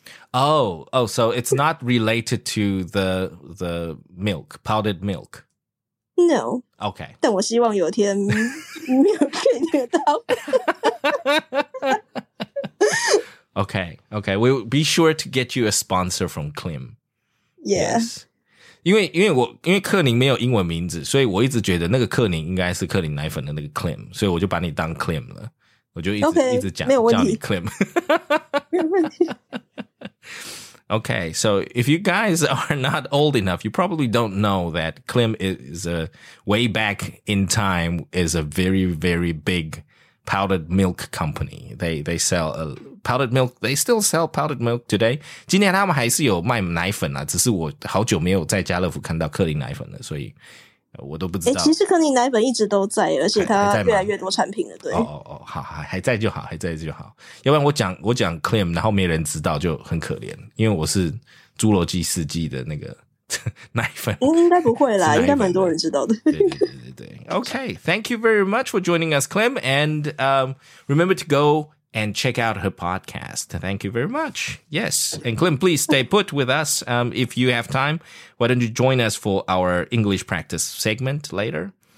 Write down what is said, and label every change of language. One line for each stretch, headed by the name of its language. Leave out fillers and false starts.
English: Oh, so it's not related to the milk, powdered milk. No. Okay.
Chinese: 但我希望有一天 milk 可以得到。
English: Okay. We'll be sure to get you a sponsor from Klim. Yes.
Chinese: 因为克宁没有英文名字，所以我一直觉得那个克宁应该是克林奶粉的那个 Klim， 所以我就把你当 Klim 了。我就一直
English: okay,
Chinese: 一直讲没有问题叫你 Klim。没有问题。
English: Okay, so if you guys are not old enough, you probably don't know that Klim is a way back in time is a very, very big powdered milk company. They sell powdered milk. They still sell powdered milk today.
Chinese: 今天他们还是有卖奶粉啊，只是我好久没有在家乐福看到克林奶粉了，所以我都不知道。其实克林奶粉一直都在，而且它越来越多产品了。对，哦，还在就好。要不然我讲 Klim， 然后没人知道就很可怜，因为我是《侏罗纪世纪》的那个奶粉。应该不会啦，应该蛮多人知道的。对。
English: Okay, thank you very much for joining us, Klim, and remember to go and check out her podcast. Thank you very much. Yes, and Klim, please stay put with us. If you have time, why don't you join us for our English practice segment later?